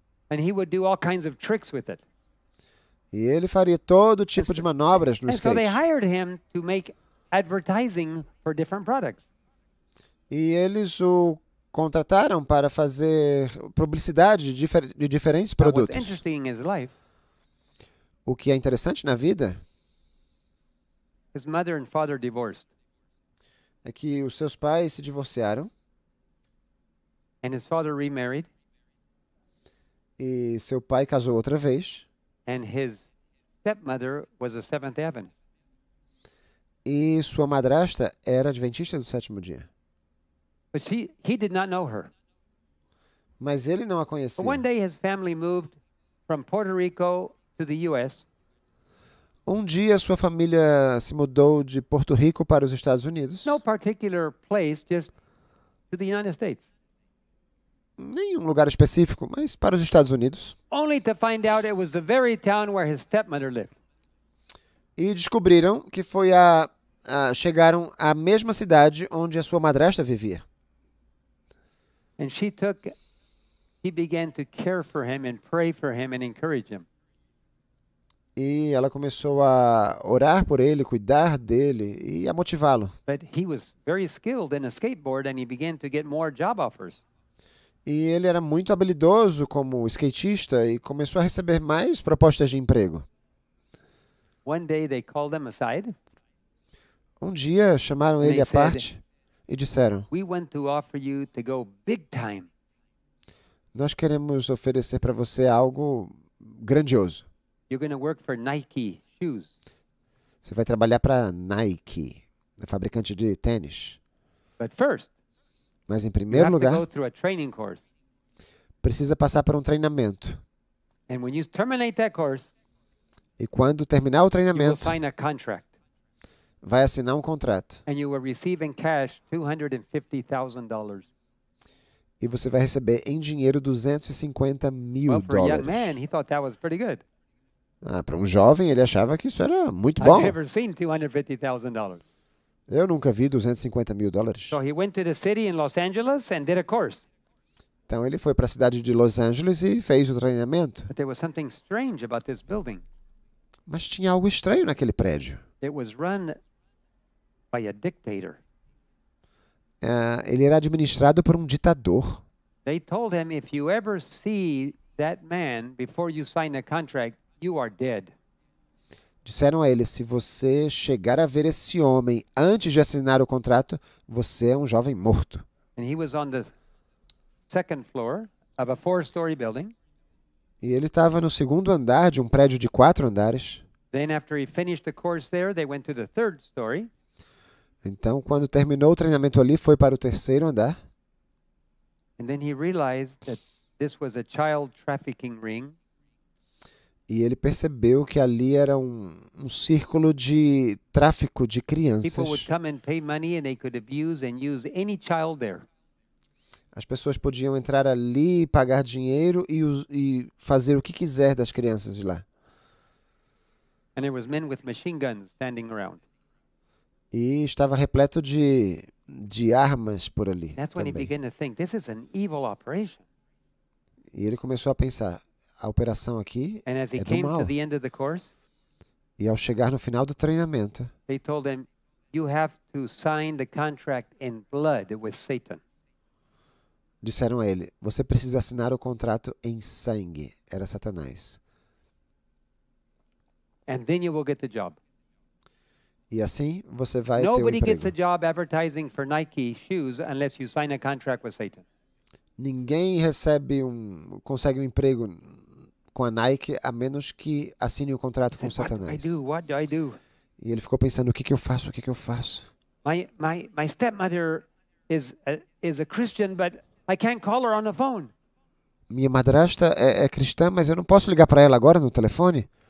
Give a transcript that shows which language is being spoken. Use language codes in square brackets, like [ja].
[en] And he would do all kinds of tricks with it. [pt] E ele faria todo tipo de manobras no [en] and [pt] skate. [en] So they hired him to make advertising for different products. [pt] E eles o contrataram para fazer publicidade de diferentes produtos. [en] What's interesting in his life, [pt] o que é interessante na vida? [en] His mother and father divorced. [pt] é que os seus pais se divorciaram. [en] And his father remarried. [pt] E seu pai casou outra vez. [en] And his stepmother was a Seventh Adventist. [pt] E sua madrasta era adventista do sétimo dia. [en] But he did not know her. [pt] Mas ele não a conhecia. [en] One day his family moved from Puerto Rico to the US. [pt] Um dia sua família se mudou de Porto Rico para os Estados Unidos. [en] No particular place, just to the United States. [pt] Nenhum lugar específico, mas para os Estados Unidos. [en] Only to find out it was the very town where his stepmother lived. [pt] E descobriram que foi chegaram à mesma cidade onde a sua madrasta vivia. [en] And she took, he began to care for him and pray for him and encourage him. [pt] E ela começou a orar por ele, cuidar dele e a motivá-lo. [en] But he was very skilled in a skateboard and he began to get more job offers. [pt] E ele era muito habilidoso como skatista e começou a receber mais propostas de emprego. [en] One day they called him aside. [pt] Um dia chamaram ele à parte e disseram: [en] "We want to offer you to go big time." [pt] Nós queremos oferecer para você algo grandioso. [en] You're going to work for Nike shoes. [pt] Você vai trabalhar para Nike, a fabricante de tênis. [en] But first, [pt] mas em primeiro lugar, [en] you have to go through a training course. [pt] Precisa passar por um treinamento. [en] And when you terminate that course, [pt] e quando terminar o treinamento, [en] you will sign a contract. [pt] Vai assinar um contrato. [en] And you will receive in cash $250,000. [pt] E você vai receber em dinheiro $250,000. [en] Well, for a young man, he thought that was pretty good. [pt] Para um jovem, ele achava que isso era muito bom. [en] I've never seen $250,000. [pt] Eu nunca vi $250,000. [en] So he went to the city in Los Angeles and did a course. [pt] Então ele foi para a cidade de Los Angeles e fez o treinamento. [en] But there was something strange about this building. [pt] Mas tinha algo estranho naquele prédio. [en] It was run by a dictator. [pt] Ele era administrado por um ditador. [en] They told him, if you ever see that man before you sign a contract, you are dead. [pt] Disseram a ele, se você chegar a ver esse homem antes de assinar o contrato, você é um jovem morto. [en] And he was on the second floor of a four-story building. [pt] E ele estava no segundo andar de um prédio de 4 andares. [en] Then after he finished the course there, they went to the third story. [pt] Então, quando terminou o treinamento ali, foi para o terceiro andar. [en] And then he realized that this was a child trafficking ring. [pt] E ele percebeu que ali era um círculo de tráfico de crianças. [en] People would come and pay money and they could abuse and use any child there. [pt] As pessoas podiam entrar ali, pagar dinheiro e fazer o que quiser das crianças de lá. [en] And there was men with machine guns standing around. [pt] E estava repleto de armas por ali. [en] That's when [pt] também. [en] He began to think, this is an evil operation. [pt] E ele começou a pensar, a operação aqui [en] and as he [pt] é do [en] came [pt] mal. [en] To the end of the course, [pt] e ao chegar no final do treinamento, [en] they told him, you have to sign the contract in blood with Satan. [pt] Disseram a ele, você precisa assinar o contrato em sangue. Era Satanás. [en] And then you will get the job. [pt] E assim você vai [en] Nobody [pt] ter um emprego. [en] Gets a job advertising for Nike shoes unless you sign a contract with Satan. [pt] Ninguém recebe consegue um emprego com a Nike a menos que assine um contrato com Satanás. [en] What do I do? What do I do? [pt] E ele ficou pensando, o que eu faço? [en] My stepmother is a Christian, but I can't call her on the phone. [pt] Minha madrasta é cristã, mas eu não posso ligar para ela agora no telefone.